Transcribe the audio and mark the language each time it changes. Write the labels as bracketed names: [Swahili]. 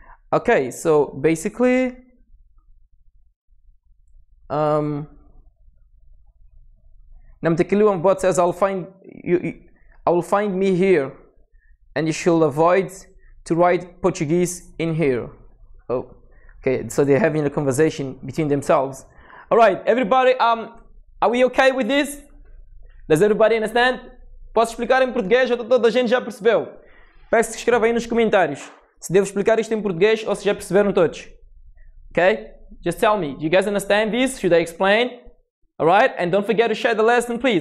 [English] Okay, so basically, Namtekiluam bot says, I'll find you. I will find me here, and you should avoid to write Portuguese in here. Oh, okay, so they're having a conversation between themselves. All right, everybody, are we okay with this? Does everybody understand? [Portuguese] Posso explicar em português ou toda a gente já percebeu? Peço que escreva aí nos comentários se devo explicar isto em português ou se já perceberam todos. [English] Okay, just tell me, do you guys understand this? Should I explain? All right, and don't forget to share the lesson, please.